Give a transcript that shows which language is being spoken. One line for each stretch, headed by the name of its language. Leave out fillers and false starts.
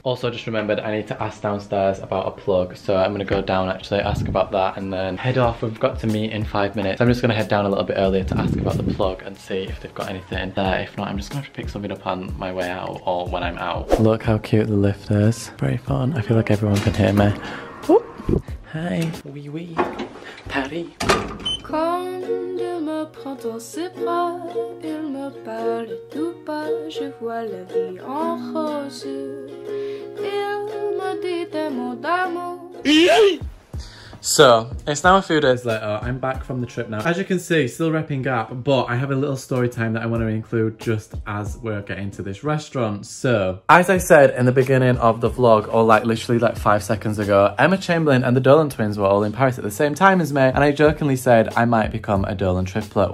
English: Also, just remembered I need to ask downstairs about a plug, so I'm gonna go down actually, ask about that, and then head off. We've got to meet in 5 minutes. I'm just gonna head down a little bit earlier to ask about the plug and see if they've got anything there. If not, I'm just gonna have to pick something up on my way out or when I'm out. Look how cute the lift is. Very fun. I feel like everyone can hear me. Oh, hi.
French: Oui, oui.
English: Paris.
French: Quand il me prend dans ses bras, il me parle tout bas, je vois la vie en rose. Il me dit des mots d'amour.
English: Yay! So, it's now a few days later. I'm back from the trip now. As you can see, still repping Gap, but I have a little story time that I want to include just as we're getting to this restaurant. So, as I said in the beginning of the vlog, or like literally like 5 seconds ago, Emma Chamberlain and the Dolan twins were all in Paris at the same time as me, and I jokingly said I might become a Dolan triplet.